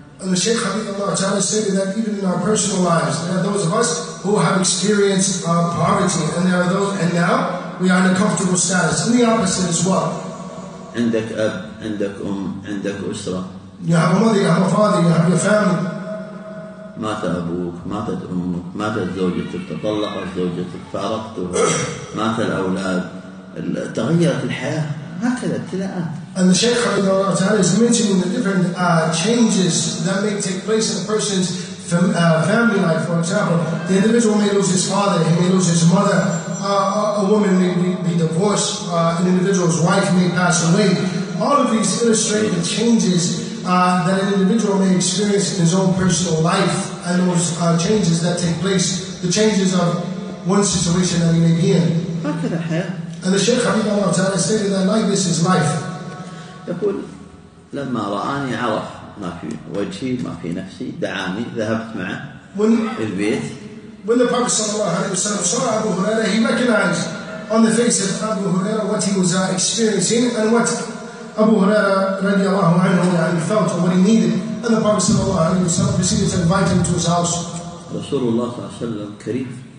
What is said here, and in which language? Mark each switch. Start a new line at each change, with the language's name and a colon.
English: And the Shaykh
Arabic: حفظه الله تعالى
English: stated that even in our personal lives there are those of us who have experienced poverty and there are those and now we are in a comfortable status and the opposite as well.
Arabic: عندك أب عندك أم عندك أسرة.
English: You have a mother, you have a father, you have your family.
Arabic: مات أبوك ماتت أمك ماتت زوجتك تطلقت زوجتك فارقتها مات الأولاد تغيرت الحياة هكذا ابتلاءات.
English: And the Shaykh
Arabic: حفظه الله تعالى
English: is mentioning the different changes that may take place in a person's family life. For example, the individual may lose his father, he may lose his mother, a woman may be divorced, an individual's wife may pass away. All of these illustrate the changes that an individual may experience in his own personal life and those changes that take place, the changes of one situation that he may be in. And the Shaykh
Arabic: حفظه الله تعالى
English: stated that like this is life.
Arabic: يقول لما رآني عرف ما في وجهي ما في نفسي دعاني ذهبت معه البيت
English: When the Prophet
Arabic: sallallahu alayhi wa sallam
English: saw Abu Huraira, he recognized on the face of Abu Huraira what he was experiencing and what Abu Huraira
Arabic: radiallahu anhu
English: felt or what he needed. And the Prophet
Arabic: sallallahu alayhi wa sallam
English: proceeded to invite him to his house.
Arabic: Rasulullah sallallahu alayhi wa sallam kareem.